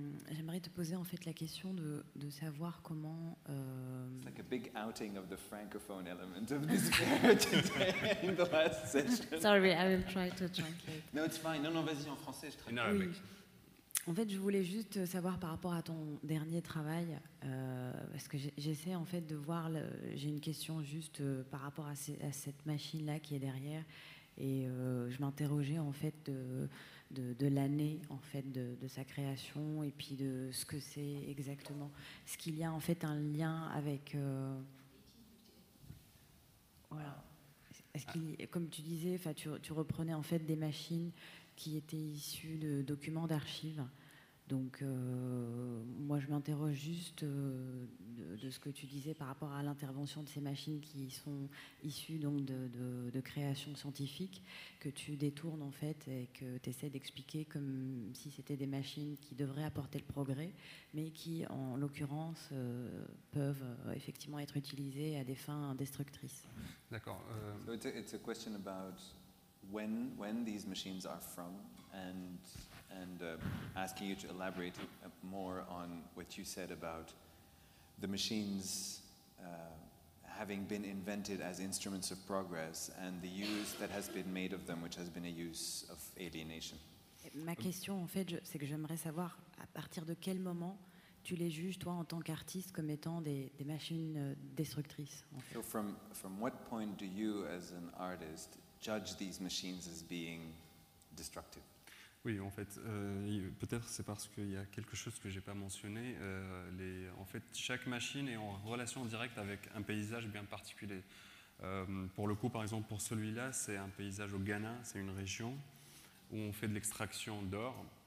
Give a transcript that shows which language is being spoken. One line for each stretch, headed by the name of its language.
French: J'aimerais te poser en fait la question de savoir comment...
English: It's like a big outing of the francophone element of this today in the last session. Sorry, I will try to translate. No, it's fine.
French: Non, vas-y, en français, je traduis.
English: In Arabic.
French: Oui. En fait, je voulais juste savoir par rapport à ton dernier travail, parce que j'essaie en fait de voir, j'ai une question juste par rapport à cette machine-là qui est derrière, et je m'interrogeais en fait de l'année en fait de sa création, et puis de ce que c'est exactement. Est-ce qu'il y a en fait un lien avec... voilà. Est-ce qu'il, comme tu disais, tu reprenais en fait des machines qui étaient issues de documents d'archives. Donc, moi, je m'interroge juste de ce que tu disais par rapport à l'intervention de ces machines qui sont issues donc, de créations scientifiques, que tu détournes, en fait, et que tu essaies d'expliquer comme si c'était des machines qui devraient apporter le progrès, mais qui, en l'occurrence, peuvent effectivement être utilisées à des fins destructrices. D'accord.
English: It's a question about when these machines are from, and asking you to elaborate more on what you said about the machines having been invented as instruments of progress and the use that has been made of them, which has been a use of alienation.
French: Ma question, en fait, c'est que j'aimerais savoir à partir de quel moment tu les juges, toi, en tant qu'artiste, comme étant des machines destructrices. En fait.
English: So from what point do you, as an artist, judge these machines as being destructive?
French: Oui, en fait, peut-être c'est parce qu'il y a quelque chose que je n'ai pas mentionné. En fait, chaque machine est en relation directe avec un paysage bien particulier. Pour le coup, par exemple, pour celui-là, c'est un paysage au Ghana, c'est une région où on fait de l'extraction d'or.